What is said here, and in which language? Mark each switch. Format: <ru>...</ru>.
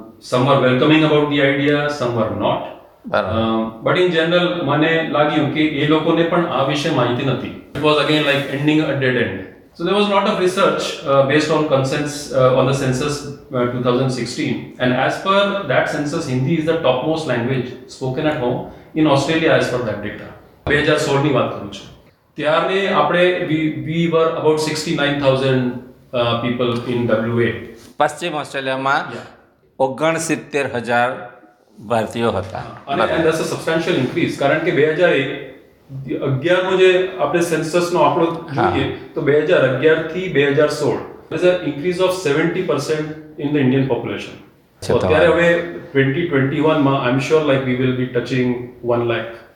<en>Some were welcoming about the idea, some were not. But in general</en> <gu>મને લાગ્યું કે એ લોકોને પણ આ વિશે માહિતી નથી.</gu> <en>It was again like ending a dead end. So there was a lot of research based on consents on the census 2016, and as per that census, Hindi is the topmost language spoken at home in Australia as per that data.</en> <gu>2016 ની વાત કરું છું. ત્યારે આપણે</gu> <en>we were about 69,000 people in WA.</en> <gu>પશ્ચિમ ઓસ્ટ્રેલિયામાં 69,000 ભારતીયો હતા.</gu> <en>And that's a substantial increase.</en> <gu>કારણ કે 2001 11 જે આપણે સેન્સસનો આપણો જોઈએ તો 2011 થી 2016</gu> <en>Increase of 70% in the Indian population.</en> <gu>અત્યારે હવે</gu> <en>2021 I am sure like we will be touching 1 lakh.</en>